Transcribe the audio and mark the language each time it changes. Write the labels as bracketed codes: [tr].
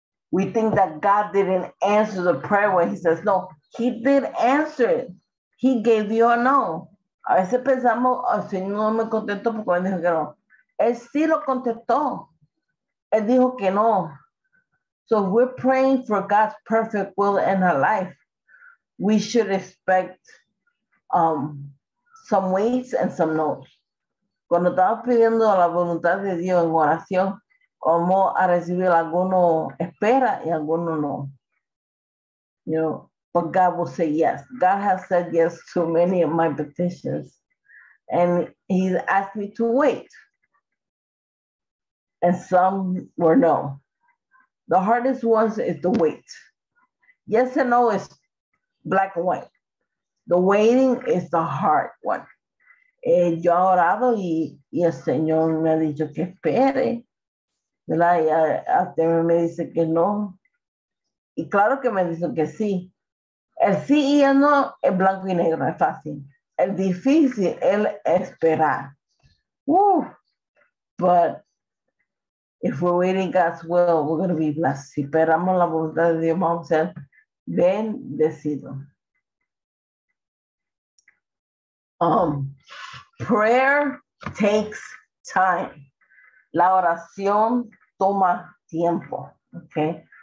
[en] We think that God didn't answer the prayer when he says no. He did answer it. He gave you a no. [es] A veces pensamos, el Señor no me contestó porque él dijo que no. Él sí lo contestó. Él dijo que no. [en] So we're praying for God's perfect will in our life. We should expect some waits and some no's. [es] Cuando estamos pidiendo la voluntad de Dios en oración, como a recibir alguno espera y alguno no. [en] You know, but God will say yes. God has said yes to many of my petitions. And he's asked me to wait. And some were no. The hardest ones is the wait. Yes and no is black and white. The waiting is the hard one. [es] Yo he orado y el Señor me ha dicho que espere. Y hasta me dice que no. Y claro que me dice que sí. El sí y el no es blanco y negro, es fácil. El difícil es esperar. [en] But if we're waiting God's will, we're going to be blessed. [es] Si esperamos la voluntad de Dios, vamos a ser bendecidos. [en] Prayer takes time. [es] La oración toma tiempo. [en] Okay.